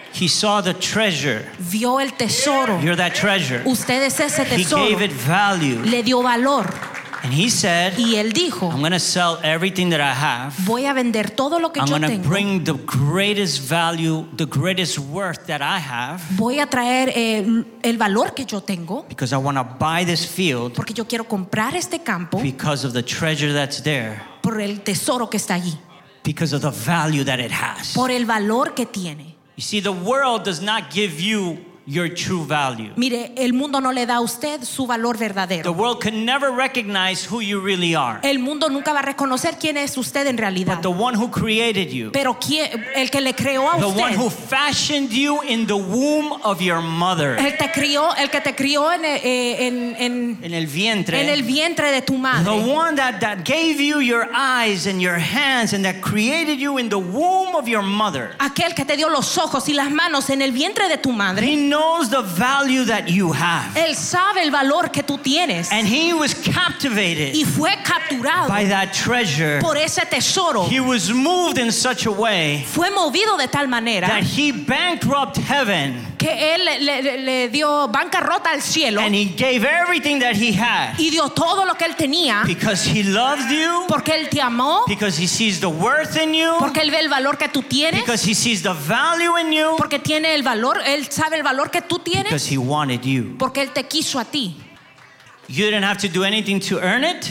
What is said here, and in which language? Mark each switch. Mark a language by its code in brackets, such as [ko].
[en] He saw the treasure. [es] Vio el tesoro. [en] You're that treasure. [es] Usted es ese tesoro. [en] He gave it value. [es] Le dio valor. [en] And he said, [es] y él dijo, [en] I'm going to sell everything that I have. [es] Voy a vender todo lo que [en] I'm [es] yo [en] gonna [es] tengo. [en] I'm going to bring the greatest value, the greatest worth that I have. [es] Voy a traer el valor que yo tengo. [en] Because I want to buy this field. [es] Porque yo quiero comprar este campo. [en] Because of the treasure that's there. [es] Por el tesoro que está allí. [en] Because of the value that it has. [es] Por el valor que tiene. [en] You see, the world does not give you your true value. [es] Mire, el mundo no le da a usted su valor verdadero. [en] The world can never recognize who you really are. [es] El mundo nunca va a reconocer quién es usted en realidad. [en] But the one who created you. [es] Pero quién, el que le creó a usted. [en] The one who fashioned you in the womb of your mother. [es] El que te crió en el vientre de tu madre. [en] The one that gave you your eyes and your hands and that created you in the womb of your mother. [es] Aquel que te dio los ojos y las manos en el vientre de tu madre. [en] He knows the value that you have. [es] Él sabe el valor que tú tienes. [en] And he was captivated. [es] Y fue capturado. [en] By that treasure. [es] Por ese tesoro. [en] He was moved in such a way. [es] Fue movido de tal manera. [en] That he bankrupted heaven. [es] Que él le dio bancarrota al cielo. [en] And he gave everything that he had. [es] Y dio todo lo que él tenía. [en] Because he loved you. [es] Porque él te amó. [en] Because he sees the worth in you. [es] Porque él ve el valor que tú tienes. [en] Because he sees the value in you. [es] Porque tiene el valor, él sabe el valor que tú tienes. [en] Because he wanted you. [es] Porque él te quiso a ti. [en] You didn't have to do anything to earn it.